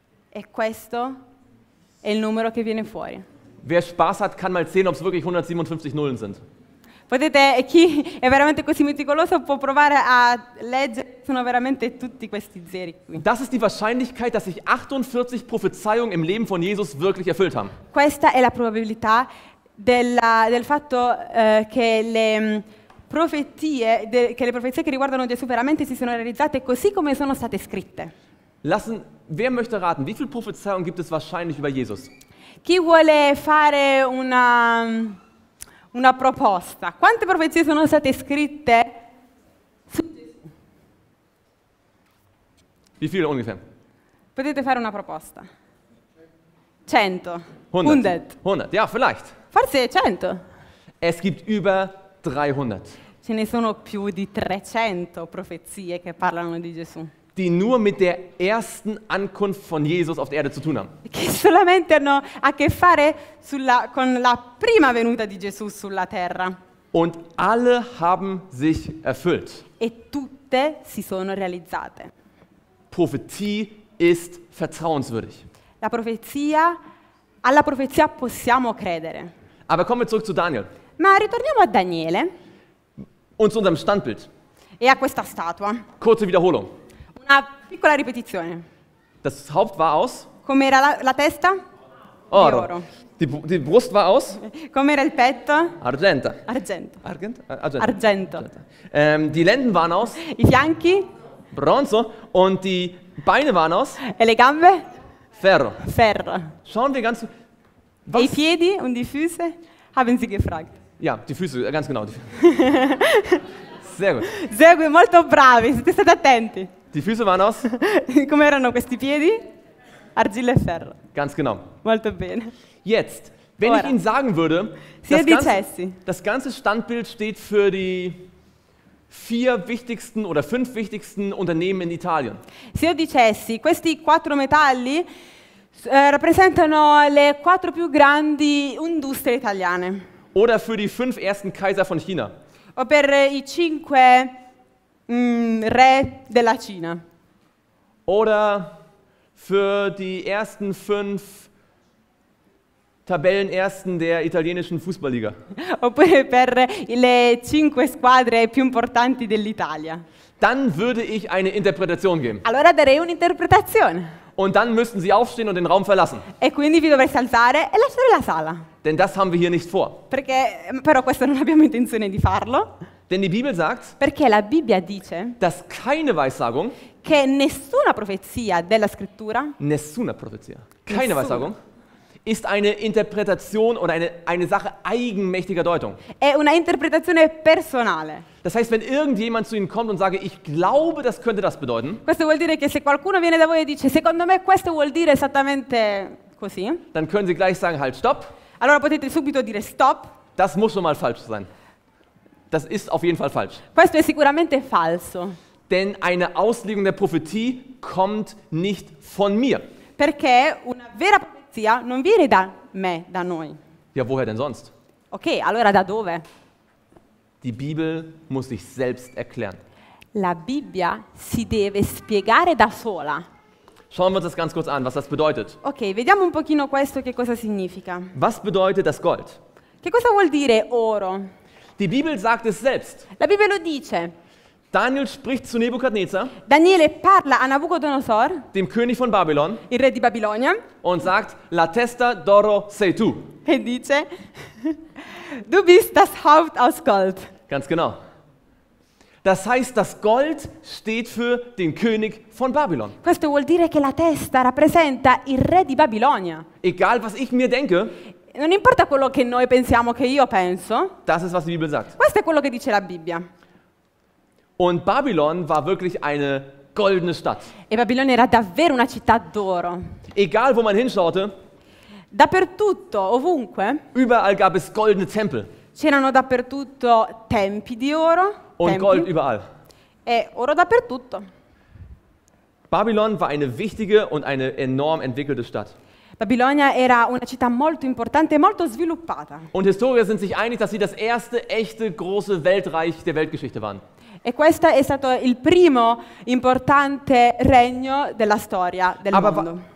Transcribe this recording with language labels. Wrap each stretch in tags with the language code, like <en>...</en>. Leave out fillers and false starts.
<it>E questo è il numero che viene fuori.</it> <de>Wer Spaß hat, kann mal sehen, ob es wirklich 157 Nullen sind.</de> <it>Potete, chi è veramente così meticoloso può provare a leggere, sono veramente tutti questi zeri qui.</it> <de>Das ist die Wahrscheinlichkeit, dass sich 48 Prophezeiungen im Leben von Jesus wirklich erfüllt haben.</de> <it>Questa è la probabilità del fatto che le profezie che riguardano Gesù veramente si sono realizzate così come sono state scritte.</it> <de>Wer möchte raten, wie viele Prophezeiungen gibt es wahrscheinlich über Jesus?</de> <it>Chi vuole fare una proposta? Quante profezie sono state scritte su</it> <de>Gesù? Wie viele ungefähr?</de> <it>Potete fare una proposta. 100.</it> <de>100. 100. Ja, vielleicht.</de> <it>Forse 100.</it> <de>Es gibt über 300.</de> <it>Ce ne sono più di 300 profezie che parlano di Gesù.</it> <de>die nur mit der ersten Ankunft von Jesus auf der Erde zu tun haben.</de> <it>Che solamente hanno a che fare sulla, con la prima venuta di Gesù sulla terra.</it> <de>Und alle haben sich erfüllt.</de> <it>E tutte si sono realizzate.</it> <de>Prophetie ist vertrauenswürdig.</de> <it>La profezia, alla profezia possiamo credere.</it> <de>Aber kommen wir zurück zu Daniel.</de> <it>Ma ritorniamo a Daniele.</it> <de>Und zu unserem Standbild.</de> <it>E a questa statua.</it> <de>Kurze Wiederholung.</de> <it>Una piccola ripetizione.</it> <de>Das Haupt war aus.</de> <it>Com'era la testa? Oro.</it> <de>Die Brust war aus.</de> <it>Com'era il petto? Argento. Argento. Argento. Argento.</it> <de>Die Lenden waren aus.</de> <it>I fianchi? Bronzo.</it> <de>Und die Beine waren aus.</de> <it>E le gambe? Ferro. Ferro.</it> <de>Schauen wir ganz. Was?</de> <it>E i piedi</it> <de>und die Füße? Haben Sie gefragt? Ja, die Füße, ganz genau. Sehr gut. Sehr gut,</de> <it>molto bravi, siete stati attenti.</it> <de>Die Füße waren aus?</de> <it>Come erano questi piedi? Argilla e ferro.</it> <de>Ganz genau.</de> <it>Molto bene.</it> <de>Jetzt, wenn ora, ich Ihnen sagen würde, das ganze Standbild steht für die vier wichtigsten oder fünf wichtigsten Unternehmen in Italien.</de> <it>Se io dicessi, questi quattro metalli rappresentano le quattro più grandi industrie italiane.</it> <de>Oder für die fünf ersten Kaiser von China.</de> <it>O per i cinque re della Cina.</it> <de>Oder für die ersten fünf Tabellenersten der italienischen Fußballliga.</de> <it>Oppure per le cinque squadre più importanti dell'Italia.</it> <de>Dann würde ich eine Interpretation geben.</de> <it>Allora darei un'interpretazione.</it> <de>Und dann müssten Sie aufstehen und den Raum verlassen.</de> <it>E quindi vi dovreste alzare e lasciare la sala.</it> <de>Denn das haben wir hier nicht vor.</de> <it>Perché, però questo non abbiamo intenzione di farlo.</it> <de>Denn die Bibel sagt,</de> <it>perché la Bibbia dice,</it> <de>dass keine Weissagung,</de> <it>che nessuna profezia della scrittura, nessuna profezia,</it> <de>keine</de> <it>nessuna.</it> <de>Weissagung, ist eine Interpretation oder eine Sache eigenmächtiger Deutung.</de> <it>È una interpretazione personale.</it> <de>Das heißt, wenn irgendjemand zu Ihnen kommt und sagt, ich glaube, das könnte das bedeuten.</de> <it>Questo vuol dire che se qualcuno viene da voi e dice, secondo me questo vuol dire esattamente così.</it> <de>Dann können Sie gleich sagen, halt, stopp.</de> <it>Allora potete subito dire stop.</it> <de>Das muss schon mal falsch sein. Das ist auf jeden Fall falsch.</de> <it>Questo è sicuramente falso.</it> <de>Denn eine Auslegung der Prophetie kommt nicht von mir.</de> <it>Perché una vera profezia non viene da me, da noi.</it> <de>Ja, woher denn sonst?</de> <it>Okay, allora da dove?</it> <de>Die Bibel muss sich selbst erklären.</de> <it>La Bibbia si deve spiegare da sola.</it> <de>Schauen wir uns das ganz kurz an, was das bedeutet.</de> <it>Okay, vediamo un pochino questo che cosa significa.</it> <de>Was bedeutet das Gold?</de> <it>Che cosa vuol dire oro?</it> <de>Die Bibel sagt es selbst.</de> <it>La Bibbia lo dice.</it> <de>Daniel spricht zu Nebukadnezar.</de> <it>Daniele parla a Nabucodonosor.</it> <de>Dem König von Babylon.</de> <it>Il re di Babilonia.</it> <de>Und sagt,</de> <it>la testa d'oro sei tu. E dice,</it> <de>du bist das Haupt aus Gold. Ganz genau. Das heißt, das Gold steht für den König von Babylon.</de> <it>Questo vuol dire che la testa rappresenta il re di Babilonia.</it> <de>Egal was ich mir denke.</de> <it>Non importa quello che noi pensiamo, che io penso.</it> <de>Das ist was die Bibel sagt.</de> <it>Questo è quello che dice la Bibbia.</it> <de>Und Babylon war wirklich eine goldene Stadt.</de> <it>E Babilonia era davvero una città d'oro.</it> <de>Egal wo man hinschaute.</de> <it>Dappertutto, ovunque.</it> <de>Überall gab es goldene Tempel.</de> <it>C'erano dappertutto tempi di oro.</it> <de>Und Gold überall.</de> <it>E oro dappertutto.</it> <de>Babylon war eine wichtige und eine enorm entwickelte Stadt.</de> <it>Babilonia era una città molto importante e molto sviluppata.</it> <de>Und Historiker sind sich einig, dass sie das erste echte große Weltreich der Weltgeschichte waren.</de> <it>E questo è stato il primo importante regno della storia del mondo.</it>